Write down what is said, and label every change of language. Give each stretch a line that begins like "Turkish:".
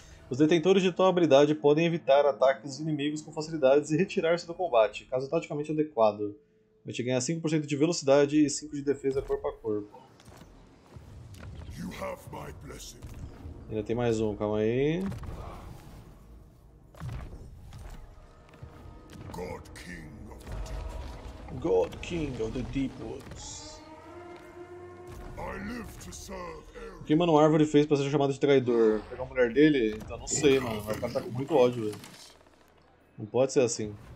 Portuguese: Os detentores de tal habilidade podem evitar ataques dos inimigos com facilidades e retirar-se do combate, caso taticamente adequado. A gente ganha 5% de velocidade e 5% de defesa corpo a corpo.
English: You have my blessing.
Portuguese: Ainda tem mais um, calma aí.
English: God King of the Deep Woods. God King of the Deep Woods. I live to serve Aerith.
Portuguese: O que mano Árvore fez pra ser chamado de traidor? Pegar a mulher dele? Então não sei, mano. Vai ficar com muito ódio, velho. Não pode ser assim.